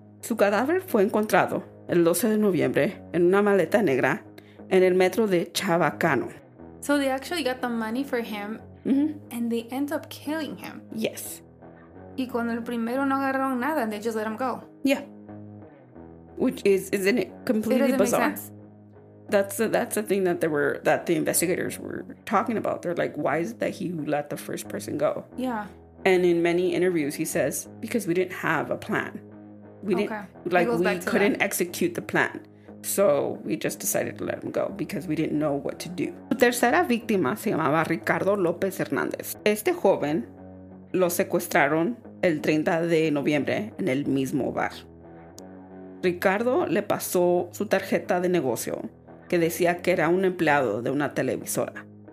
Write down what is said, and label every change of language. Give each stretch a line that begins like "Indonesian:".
Spanish: Su cadáver fue encontrado el 12 de noviembre en una maleta negra en el metro de Chabacano.
English: So they actually got the money for him. Mm-hmm. And they end up killing him. Yes.
Spanish: Y cuando el primero no agarraron nada, they just let him go.
English: Yeah. Which is, isn't it completely bizarre? Make sense. That's the thing that the investigators were talking about. They're like, why is it that he let the first person go? Yeah. And in many interviews, he says, because we didn't have a plan. We couldn't execute the plan. So we just decided to let him go because we didn't know what to do.
Spanish: La tercera víctima se llamaba Ricardo López Hernández. Este joven lo secuestraron el 30 de noviembre en el mismo bar. Ricardo le pasó su tarjeta de negocio que decía que era un empleado de una televisora.